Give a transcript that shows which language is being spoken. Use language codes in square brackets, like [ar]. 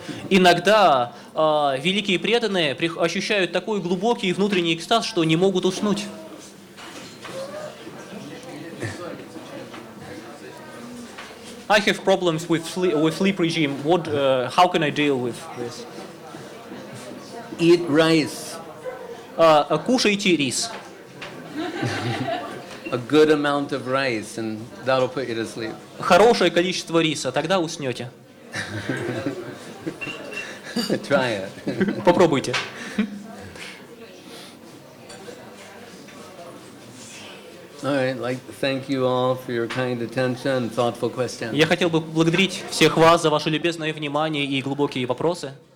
[ru] Иногда великие преданные ощущают такой глубокий внутренний экстаз, что не могут уснуть. [en] I have problems with sleep regime. What, how can I deal with this? Eat rice. [ru] Кушайте рис. [en] A good amount of rice, and that'll put you to sleep. [ru] Хорошее количество риса, тогда уснете. [en] Try it. [ru] Попробуйте. [en] All right, like thank you all for your kind attention and thoughtful questions. [ru] Я хотел бы поблагодарить всех вас за ваше любезное внимание и глубокие вопросы.